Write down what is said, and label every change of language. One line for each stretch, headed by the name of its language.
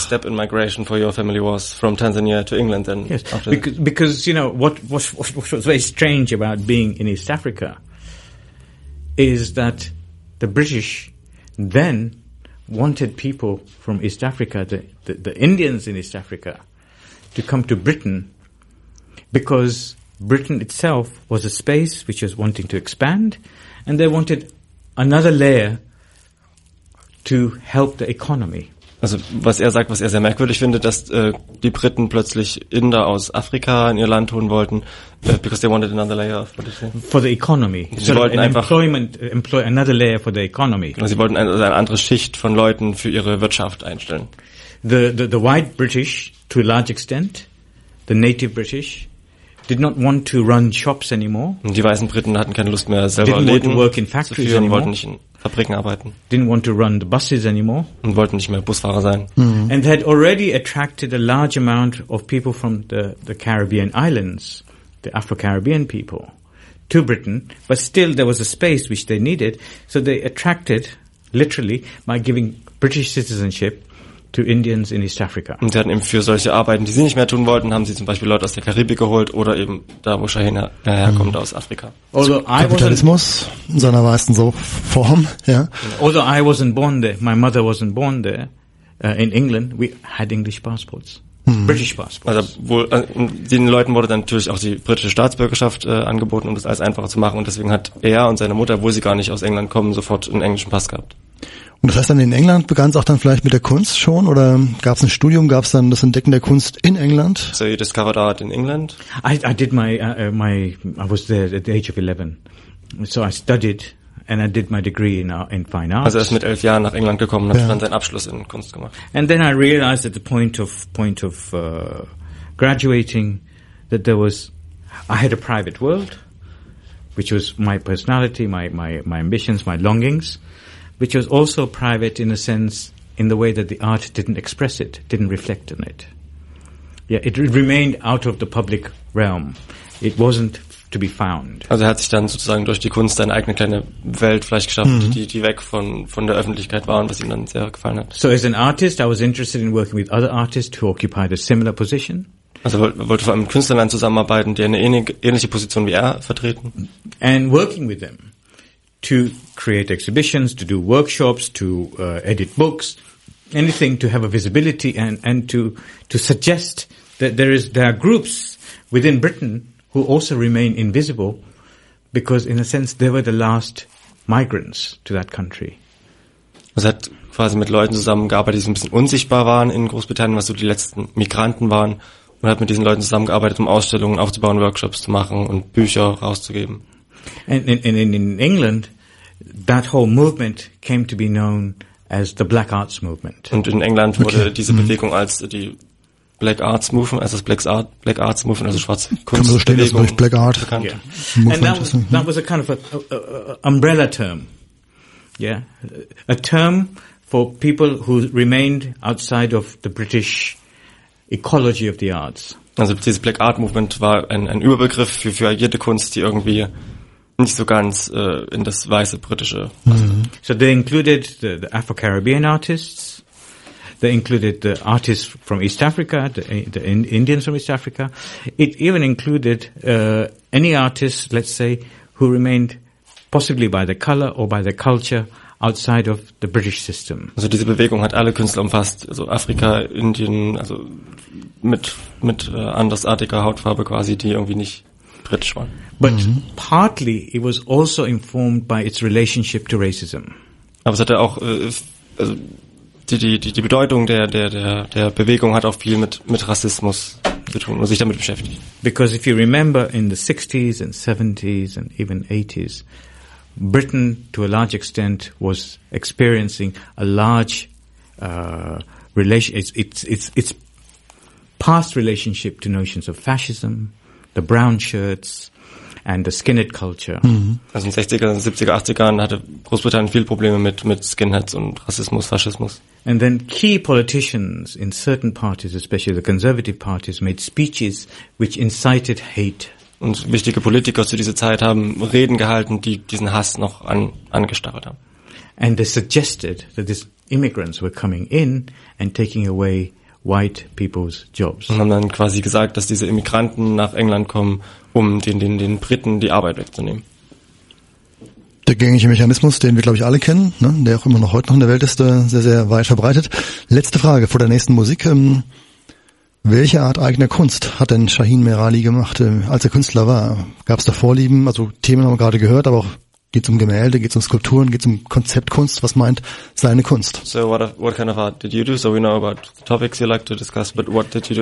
English: Step in migration for your family was from Tanzania to England. Then yes, because, you know, what was very strange about being in East Africa is that the British then wanted people from East Africa, the Indians in East Africa, to come to Britain because Britain itself was a space which was wanting to expand and they wanted another layer to help the economy.
German: Also was er sagt, was er sehr merkwürdig findet, dass die Briten plötzlich Inder aus Afrika in ihr Land holen wollten,
English: because they wanted another layer of Britain. For the economy.
German: Sie wollten an einfach
English: employment, employ another layer for the economy.
German: Also sie wollten eine andere Schicht von Leuten für ihre Wirtschaft einstellen.
English: The white British, to a large extent, the native British, did not want to run shops anymore.
German: Und die weißen Briten hatten keine Lust mehr, selber Läden zu führen,
English: anymore.
German: Wollten nicht in Fabriken arbeiten.
English: Didn't want to run the buses anymore.
German: Und wollten nicht mehr Busfahrer sein. Mm-hmm.
English: And had already attracted a large amount of people from the Caribbean islands, the Afro-Caribbean people, to Britain. But still, there was a space which they needed. So they attracted, literally, by giving British citizenship to Indians in East Africa.
German: Und sie hatten eben für solche Arbeiten, die sie nicht mehr tun wollten, haben sie zum Beispiel Leute aus der Karibik geholt oder eben da, wo Shahin herkommt, aus Afrika. Kapitalismus in seiner wahrsten so Form, ja.
English: Although I wasn't born there, my mother wasn't born there, in England, we had English passports, British passports.
German: Also wohl, den Leuten wurde dann natürlich auch die britische Staatsbürgerschaft angeboten, um das alles einfacher zu machen. Und deswegen hat er und seine Mutter, wo sie gar nicht aus England kommen, sofort einen englischen Pass gehabt. Und das heißt dann, in England begann es auch dann vielleicht mit der Kunst schon, oder gab es ein Studium, gab es dann das Entdecken der Kunst in England?
English: So you discovered art in England? I did I was there at the age of 11. So I studied and I did my degree in fine arts.
German: Also er ist mit 11 Jahren nach England gekommen und hat dann seinen Abschluss in Kunst gemacht.
English: And then I realized at the point of graduating that I had a private world, which was my personality, my ambitions, my longings. Which was also private in a sense, in the way that the art didn't express it, didn't reflect on it. Yeah, it remained out of the public realm. It wasn't to be found.
German: Also er hat sich dann sozusagen durch die Kunst eine eigene kleine Welt vielleicht geschafft, mm-hmm. die weg von der Öffentlichkeit war und das ihm dann sehr gefallen hat.
English: So as an artist, I was interested in working with other artists who occupied a similar position.
German: Also wollte vor allem mit Künstlern zusammenarbeiten, die eine ähnliche Position wie vertreten.
English: And working with them to create exhibitions, to do workshops, to edit books, anything to have a visibility and to suggest that there are groups within Britain who also remain invisible, because in a sense they were the last migrants to that country.
German: Also hat quasi mit Leuten zusammengearbeitet, die so ein bisschen unsichtbar waren in Großbritannien, was so die letzten Migranten waren, und hat mit diesen Leuten zusammengearbeitet, um Ausstellungen aufzubauen, Workshops zu machen und Bücher rauszugeben.
English: And in England, that whole movement came to be known as the Black Arts Movement.
German: Und in England wurde okay. diese Bewegung als die Black Arts Movement, also das Black Arts Movement, also schwarze Kunst. Kann man verstehen, dass durch Black Art bekannt. Yeah.
English: And that was a kind of a umbrella term, yeah, a term for people who remained outside of the British ecology of the arts.
German: Also dieses Black Art Movement war ein Überbegriff für jede Kunst, die irgendwie nicht so ganz in das weiße britische.
English: Mm-hmm. So they included the Afro-Caribbean artists. They included the artists from East Africa, the Indians from East Africa. It even included any artists, let's say, who remained possibly by their color or by their culture outside of the British system.
German: Also diese Bewegung hat alle Künstler umfasst, also Afrika, Indien, also mit andersartiger Hautfarbe quasi, die irgendwie nicht britisch waren.
English: But mm-hmm. partly it was also informed by its relationship to racism.
German: Aber es hatte auch die Bedeutung der Bewegung hat auch viel mit Rassismus zu tun und sich damit beschäftigt.
English: Because if you remember in the 60s and 70s and even 80s, Britain to a large extent was experiencing a large its past relationship to notions of fascism, the brown shirts and the skinhead culture. Mm-hmm.
German: Also in 60er, 70er, 80er hatte Großbritannien viel Probleme mit Skinheads und Rassismus, Faschismus. And then key politicians in certain parties, especially the conservative parties, made speeches which incited hate. Und wichtige Politiker zu dieser Zeit haben Reden gehalten, die diesen Hass noch angestachelt haben. And they suggested that these immigrants were coming in and taking away white people's jobs. Und haben dann quasi gesagt, dass diese Immigranten nach England kommen, um den Briten die Arbeit wegzunehmen. Der gängige Mechanismus, den wir, glaube ich, alle kennen, ne, der auch immer noch heute noch in der Welt ist, sehr, sehr weit verbreitet. Letzte Frage vor der nächsten Musik. Welche Art eigener Kunst hat denn Shaheen Merali gemacht, als er Künstler war? Gab es da Vorlieben? Also Themen haben wir gerade gehört, aber auch geht es um Gemälde, geht es um Skulpturen, geht es um Konzeptkunst? Was meint seine Kunst?
English: So what kind of art did you do? So we know about the topics you like to discuss, but what did you do?